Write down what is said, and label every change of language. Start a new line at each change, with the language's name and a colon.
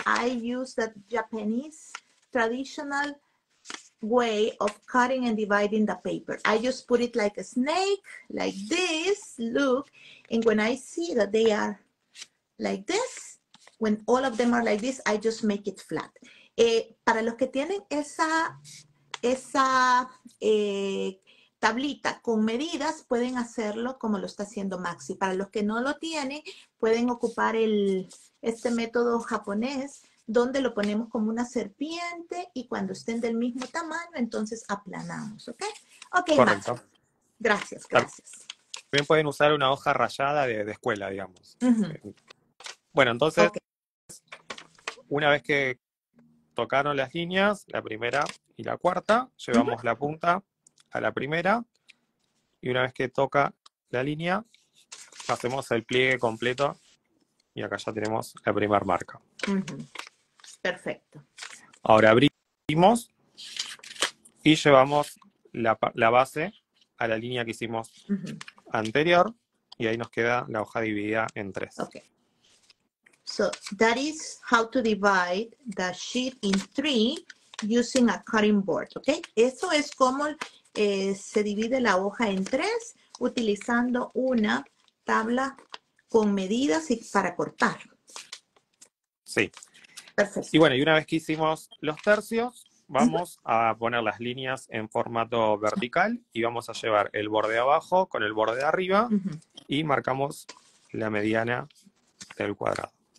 English: I use the Japanese traditional way of cutting and dividing the paper. I just put it like a snake, like this, look. And when I see that they are like this, when all of them are like this, I just make it flat.
Spanish: Para los que tienen esa tablita con medidas, pueden hacerlo como lo está haciendo Maxi. Para los que no lo tienen, pueden ocupar este método japonés, donde lo ponemos como una serpiente y cuando estén del mismo tamaño, entonces aplanamos, ¿ok? Ok, correcto. Maxi. Gracias, gracias. También pueden usar una hoja rayada de escuela, digamos. Uh-huh. Bueno, entonces, okay. Una vez que tocaron las líneas, la primera y la cuarta, llevamos uh-huh. la punta a la primera, y una vez que toca la línea, hacemos el pliegue completo, y acá ya tenemos la primera marca. Uh-huh. Perfecto. Ahora abrimos y llevamos la base a la línea que hicimos uh-huh. anterior, y ahí nos queda la hoja dividida en tres.
English: Okay. So that is how to divide the sheet in three using a cutting board, okay?
Spanish: Eso es como se divide la hoja en tres utilizando una tabla con medidas y para cortar. Sí. Perfecto. Y bueno, y una vez que hicimos los tercios, vamos a poner las líneas en formato vertical y vamos a llevar el borde abajo con el borde de arriba uh-huh. y marcamos la mediana del cuadrado.